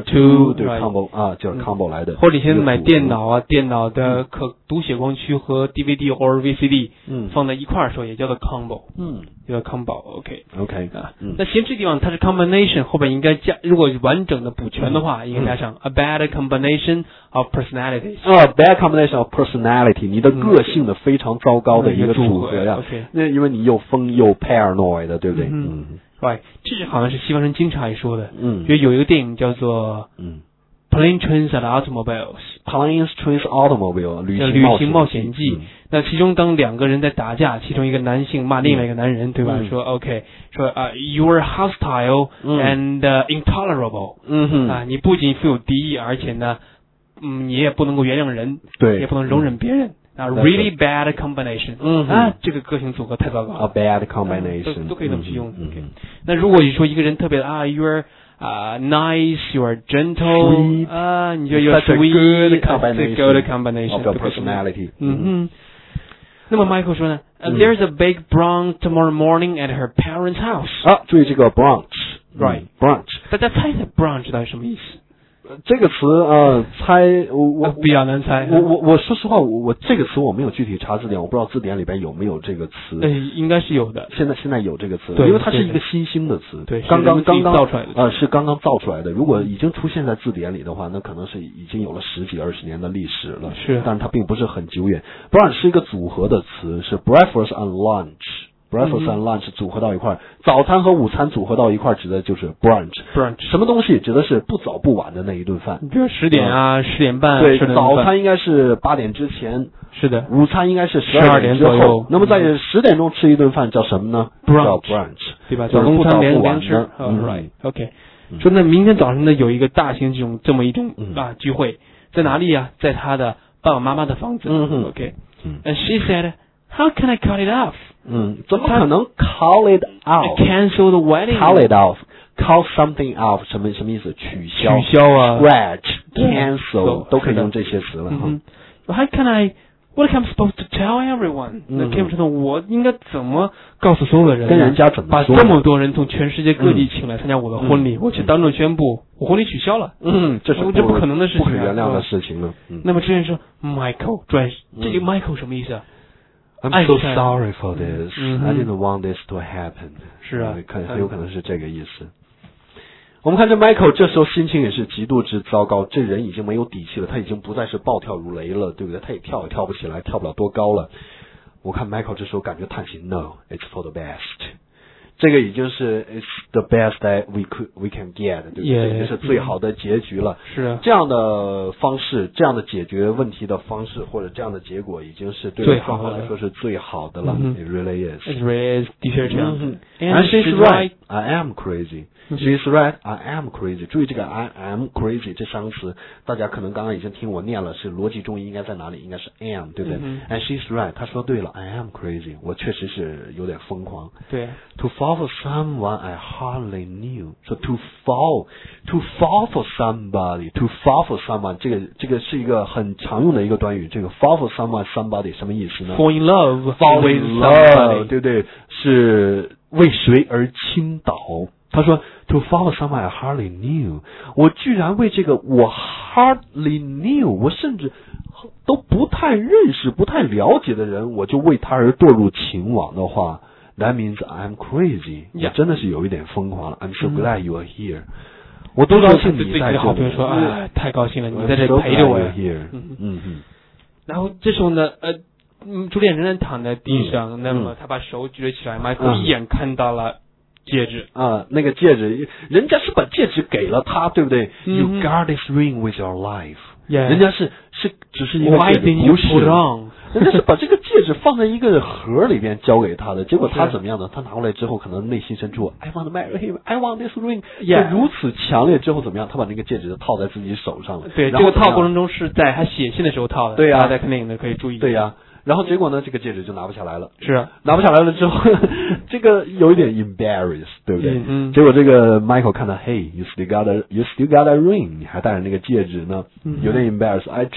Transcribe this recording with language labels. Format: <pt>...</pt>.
<zh>two， 对、</zh> <en>right.</en> <zh>combo 啊，就是 combo 来的。或者你现在买电脑啊，电脑的可读写光驱和 DVD 或者 VCD，嗯，放在一块儿的时候也叫做 combo，嗯，叫做</zh> <en>combo，OK，OK、okay. okay,</en> <zh>啊，那其实这地方它是 combination， 后边应该加，如果完整的补全的话，嗯、应该加上</zh> <en>a bad combination。 of personalities. A bad combination of personality.</en> <zh>你的个性的非常糟糕的一个组合呀、嗯。那因为你又疯又 paranoid 的对不对嗯, 嗯。</zh> <en>Right.</en> <zh>这是好像是西方人经常还说的。嗯。就有一个电影叫做</zh> <en>Plane, Trains, and Automobiles. Planes, Trains, Automobiles.</en> <zh>旅行冒险记。嗯，那其中当两个人在打架，其中一个男性骂另外一个男人，对吧？</zh> <en>说 OK, 说you are hostile and intolerable.</en> <zh>嗯哼。啊，你不仅富有敌意，而且呢，你也不能够原谅人，对，也不能容忍别人。啊 ，</zh> <en>really bad combination.</en> <zh>嗯啊，这个个性组合太糟糕了。 A bad combination. 都可以这么去用。嗯， okay。 那如果你说一个人特别</zh> <en>you are nice, you are gentle, sweet,</en> <zh>啊，你觉得</zh> <en>you're sweet, good combination, good combination of your personality.</en> <zh>嗯哼。那么 Michael 说呢？</zh> <en>There's a big brunch tomorrow morning at her parents' house.</en> <zh>啊，注意这个 brunch,</zh> <en>right? Brunch.</en> <zh>大家猜猜 brunch 到底什么意思？这个词猜我比较难猜。我说实话，我这个词我没有具体查字典，我不知道字典里边有没有这个词。对，应该是有的。现在有这个词，对，因为它是一个新兴的词，对，刚刚造出来的，是刚刚造出来的。如果已经出现在字典里的话，那可能是已经有了十几二十年的历史了。是，但它并不是很久远。 Brunch 是一个组合的词，是</zh> <en>breakfast and lunch。 Breakfast and lunch</en> <zh>组合到一块，早餐和午餐组合到一块指的就是 brunch。</zh> <en>brunch</en> <zh>什么东西？指的是不早不晚的那一顿饭，比如十点啊，十点半。对，早餐应该是八点之前，是的。午餐应该是十二点左右。那么在十点钟吃一顿饭叫什么呢？</zh> <en>brunch，</en> <zh>叫 brunch，对吧？早中餐连连吃。 OK， 说那明天早上呢有一个大型这么一种聚会，在哪里啊？在他的爸爸妈妈的房子。</zh> <en>OK， and she said， how can I cut it off？</en> <zh>怎么可能 call it out?</zh> <en>Cancel the wedding. Call it off. Call something off.</en> <zh>什么意思？取消。取消啊。</zh> <en>Scratch. Cancel. 都可以用这些词了。 How can I, what am I supposed to tell everyone? That came to the,</en> <zh>我应该怎么告诉所有的人？跟人家怎么说？把这么多人从全世界各地请来参加我的婚礼，我去当众宣布我婚礼取消了。这不可能的事情。不可原谅的事情了。那么之前说 Michael, 转这个 Michael 什么意思啊？</zh> <en>I'm so sorry for this. I didn't want this to happen.</en> <zh>是啊，很有可能是这个意思。我们看这 Michael 这时候心情也是极度之糟糕，这人已经没有底气了，他已经不再是暴跳如雷了，对不对？他也跳也跳不起来，跳不了多高了。我看 Michael 这时候感觉叹息 ，</zh> <en>No, it's for the best.</en> <zh>这个已经是</zh> <en>it's the best that we can get，</en> <zh>对不对？这已经是最好的结局了。是啊，这样的方式，这样的解决问题的方式，或者这样的结果，已经是对双方来说是最好的了。的</zh> <en>It really is. It really is.</en> <zh>的确这样。</zh> <en>And she's right. I am crazy. She's right. I am crazy.</en> <zh>注意这个</zh> <en>I am crazy</en> <zh>这三个词，大家可能刚刚已经听我念了，是逻辑中应该在哪里？应该是 am， 对不对？</zh> <en>And she's right.</en> <zh>她说对了 ，</zh> <en>I am crazy.</en> <zh>我确实是有点疯狂。对。</zh> <en>To fall for someone I hardly knew. So to fall for somebody. To fall for someone</en> <zh>这个是一个很常用的一个短语。这个</zh> <en>fall for someone somebody</en> <zh>什么意思呢</zh> <en>？Fall in love. Fall in love.</en> <zh>对不对？是。为谁而倾倒？他说 ，</zh> <en>To fall for someone I hardly knew，</en> <zh>我居然为这个我 hardly knew， 我甚至都不太认识、不太了解的人，我就为他而堕入情网的话 ，</zh> <en>That means I'm crazy，</en> <zh>也真的是有一点疯狂了。</zh> <en>I'm so glad you are here，</en> <zh>我多高兴你在这里。对，好朋友说，哎，太高兴了，你在这陪着我呀。</zh> <en>Here，</en> <zh>然后这时候呢，朱莉仍然躺在地上，那么他把手举了起来，迈克一眼看到了戒指。那个戒指，人家是把戒指给了他，对不对？</zh> <en>You guard this ring with your life. Yeah.</en> <zh>人家是只是一个戒指，不是。人家是把这个戒指放在一个盒里边交给他的，结果他怎么样呢？他拿过来之后，可能内心深处</zh> <en>I want to marry him, I want this ring. Yeah.</en> <zh>如此强烈之后怎么样？他把那个戒指套在自己手上了。对，这个套过程中是在他写信的时候套的。对呀，大家看电影的可以注意。对呀。然后结果呢？这个戒指就拿不下来了。是啊，拿不下来了之后，这个有一点 embarrassed， 对不对？结果这个 Michael 看到 ，</zh> <en>Hey， you still got a ring，</en> <zh>你还戴着那个戒指呢，有点 embarrassed。</zh>